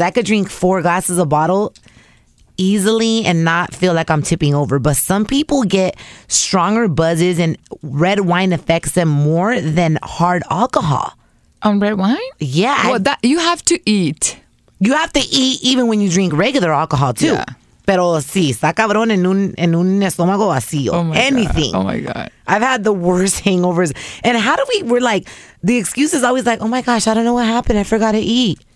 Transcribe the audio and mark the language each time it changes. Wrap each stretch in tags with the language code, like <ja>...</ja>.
<en>I could drink four glasses a bottle easily and not feel like I'm tipping over. But some people get stronger buzzes and red wine affects them more than hard alcohol. On red wine? Yeah. Well, that, you have to eat. You have to eat even when you drink regular alcohol, too. Yeah.</en> <es>Pero sí, está cabrón en un estómago vacío.</es> <en>Oh my Anything. God. Oh my God. I've had the worst hangovers. And how do we're like, the excuse is always like, oh my gosh, I don't know what happened. I forgot to eat.</en>